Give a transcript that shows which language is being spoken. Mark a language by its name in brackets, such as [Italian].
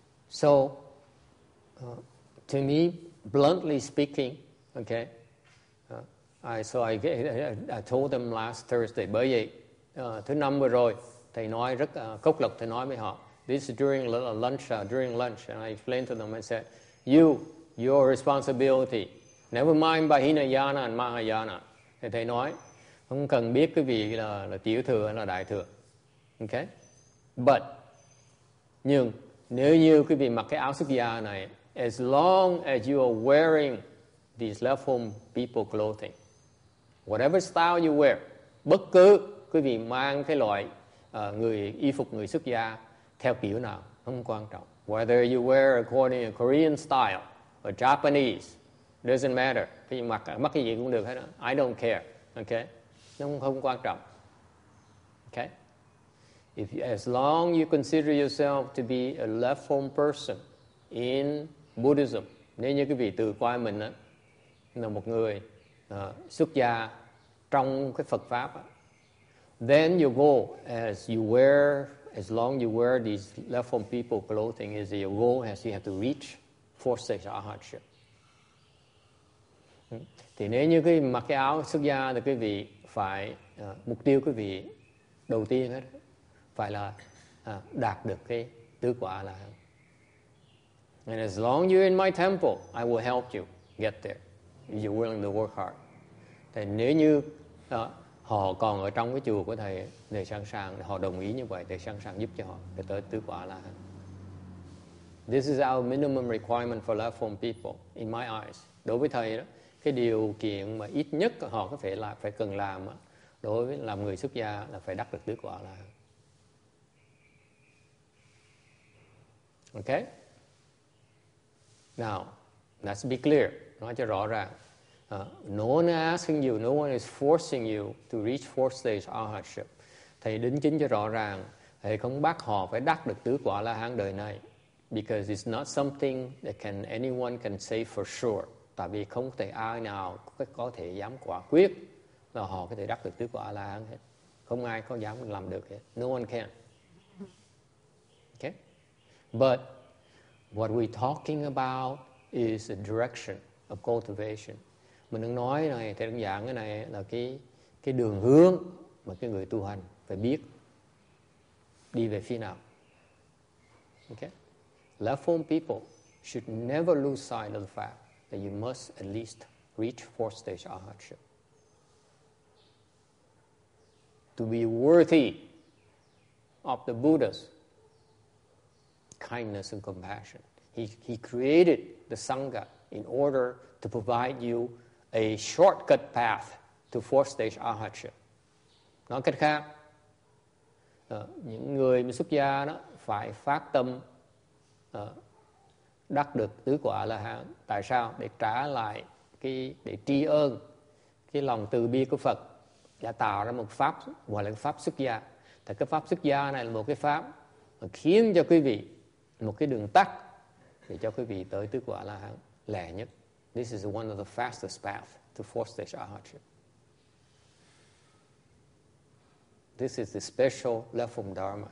[English] So, to me, bluntly speaking, okay, I told them last Thursday, [Vietnamese] bởi vậy, thứ năm vừa rồi, thầy nói rất cốc lực, thầy nói với họ. [English] This is during lunch, and I explained to them, I said, your responsibility Never mind by Hinayana and Mahayana. [Vietnamese] Thì thầy nói, không cần biết cái vị là tiểu thừa hay là đại thừa. Okay? But, nhưng nếu như quý vị mặc cái áo xuất gia này, [English] as long as you are wearing these left home people clothing, whatever style you wear, [Vietnamese] bất cứ quý vị mang cái loại người y phục người xuất gia theo kiểu nào, không quan trọng. [English] Whether you wear according to Korean style or Japanese, doesn't matter. [Vietnamese] Quý vị mặc cái gì cũng được hết. [English] I don't care. Okay? [Vietnamese] Không quan trọng. [English] Okay? If you, as long you consider yourself to be a left home person in Buddhism, [Vietnamese] nếu như quý vị tự coi mình đó, là một người xuất gia trong cái Phật pháp, [English] then your goal, as long you wear these left home people clothing, is your goal as you have to reach four stage arhatship. [Vietnamese] Thì nếu như cái mặc cái áo xuất gia thì quý vị phải mục tiêu quý vị đầu tiên hết phải là đạt được cái tứ quả là. [English] And as long you're in my temple, I will help you get there if you're willing to work hard. [Vietnamese] Thì nếu như họ còn ở trong cái chùa của thầy để sẵn sàng, họ đồng ý như vậy, để sẵn sàng giúp cho họ để tới tứ quả là. [English] This is our minimum requirement for left home people in my eyes. [Vietnamese] Đối với thầy đó, cái điều kiện mà ít nhất họ có thể là phải cần làm đối với làm người xuất gia là phải đắc được tứ quả là. [English] Okay? Now, let's be clear. [Vietnamese] Nói cho rõ ràng. [English] No one is asking you, no one is forcing you to reach fourth stage arhatship. [Vietnamese] Thầy đính chính cho rõ ràng, thầy không bắt họ phải đắc được tứ quả la hán đời này. [English] Because it's not something that anyone can say for sure. [Vietnamese] Tại vì không thể ai nào có thể dám quả quyết là họ có thể đắc được tứ quả la hán hết. Không ai có dám làm được hết. [English] No one can. Okay? But what we're talking about is the direction of cultivation. [Vietnamese] Mình đang nói này, thầy đang giảng cái này là cái đường hướng mà cái người tu hành phải biết đi về phía nào. [English] Okay? Left home people should never lose sight of the fact that you must at least reach fourth stage arhatship. To be worthy of the Buddha's kindness and compassion. He created the Sangha in order to provide you a shortcut path to fourth stage arhatship. [Vietnamese] Nói cách khác, những người mà xuất gia đó phải phát tâm đắc được tứ quả là hạn. Tại sao? Để trả lại cái để tri ơn cái lòng từ bi của Phật đã tạo ra một pháp gọi là pháp xuất gia. Thì cái pháp xuất gia này là một cái pháp mà khiến cho quý vị một cái đường tắt để cho quý vị tới tứ quả là hạn lẹ nhất. [English] This is one of the fastest path to fourth stage arhatship. This is the special left home dharma.